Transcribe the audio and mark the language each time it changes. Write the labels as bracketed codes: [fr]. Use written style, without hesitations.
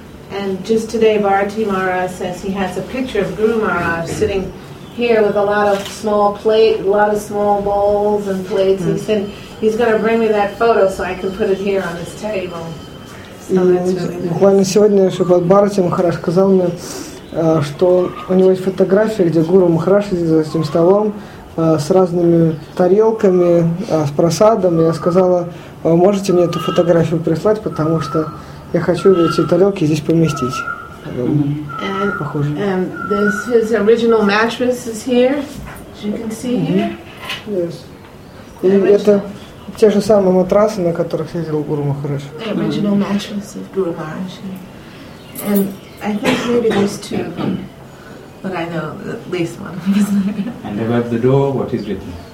[en] And just today, Bharati Maharaj says he has a picture of Guru Maharaj sitting here with a lot of small bowls and plates. He said he's going to bring me that photo so I can put it here on his table. [ru] Буквально сегодня еще Бхарати Махарадж сказал мне, что у него есть фотография, где Гуру Махарадж сидит за этим столом с разными тарелками, с просадом. Я сказала, вы можете мне эту фотографию прислать, потому что я хочу эти тарелки здесь поместить. Похоже. [en] And this his original mattress is here, as you can see here. Yes. [ru] И это те же самые матрасы, на которых сидел Гуру Махарадж. [en] The original mattress of Guru Maharaj. And I think maybe there's two of them. But I know at least one. And above the door, what is written?